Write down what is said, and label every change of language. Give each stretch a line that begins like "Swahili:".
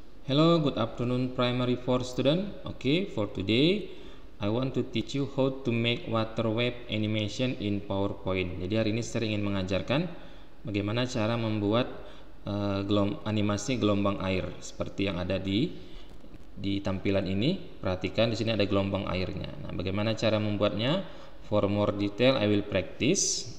English: Hello, good afternoon, primary four student. Okay, for today, I want to teach you how to make water web animation in PowerPoint.
Indonesian: Jadi hari ini saya ingin mengajarkan bagaimana cara membuat animasi gelombang air seperti yang ada di tampilan ini. Perhatikan di sini ada gelombang airnya. Nah, bagaimana cara membuatnya?
English: For more detail, I will practice.